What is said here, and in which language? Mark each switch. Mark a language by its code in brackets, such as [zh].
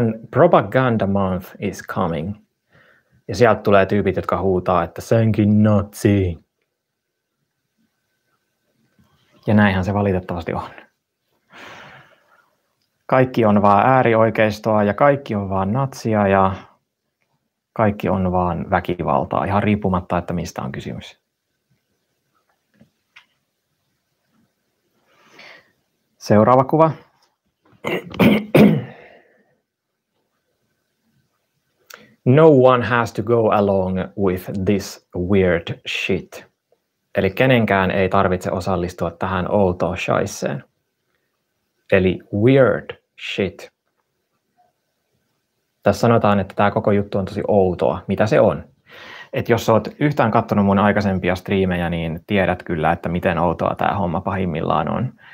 [en] Propaganda month is coming. [fi] Ja sieltä tulee tyypit, jotka huutaa, että senkin natsi. Ja näinhän se valitettavasti on. Kaikki on vaan äärioikeistoa ja kaikki on vaan natsia ja kaikki on vaan väkivaltaa, ihan riippumatta, että mistä on kysymys. Seuraava kuva. [en] No one has to go along with this weird shit. [fi] Eli kenenkään ei tarvitse osallistua tähän outoon shaisseen. [en] Eli weird shit. [fi] Tässä sanotaan, että tämä koko juttu on tosi outoa. Mitä se on? Et jos olet yhtään katsonut mun aikaisempia striimejä, niin tiedät kyllä, että miten outoa tämä homma pahimmillaan on.